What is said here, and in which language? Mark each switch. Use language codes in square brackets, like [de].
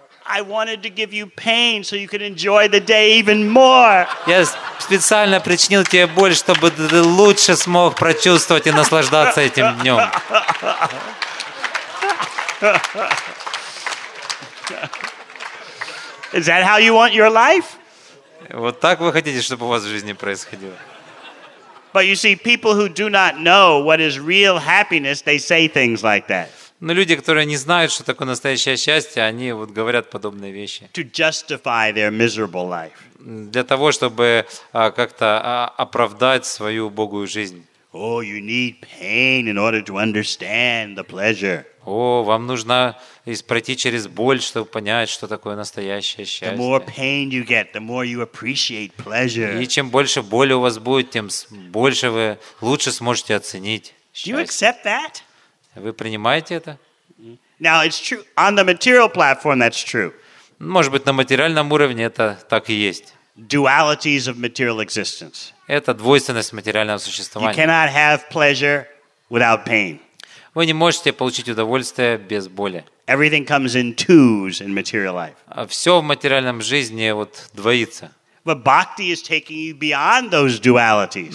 [en] I wanted to give you pain so you could enjoy the day even more. [ru] Я специально причинил тебе боль, чтобы ты лучше смог прочувствовать и наслаждаться этим днем. [en] Is that how you want your life? [ru] Вот так вы хотите, чтобы у вас в жизни происходило? [en] But you see, people who do not know what is real happiness, they say things like that. [ru] Но люди, которые не знают, что такое настоящее счастье, они вот говорят подобные вещи. [en] To justify their miserable life. [ru] Для того, чтобы как-то оправдать свою убогую жизнь. [en] Oh, you need pain in order to understand the pleasure. [ru] О, вам нужно пройти через боль, чтобы понять, что такое настоящее счастье. [en] The more pain you get, the more you appreciate pleasure. [ru] И чем больше боли у вас будет, тем больше вы лучше сможете оценить счастье. [en] Do you accept that? [ru] Вы принимаете это? [en] Now it's true. On the material platform, that's true. [ru] Может быть, на материальном уровне это так и есть. [en] Dualities of material existence. [ru] Это двойственность материального существования. [en] You cannot have pleasure without pain. [ru] Вы не можете получить удовольствие без боли. [en] Everything comes in twos in material life. [ru] Все в материальном жизни вот двоится. [en] But bhakti is taking you beyond those dualities.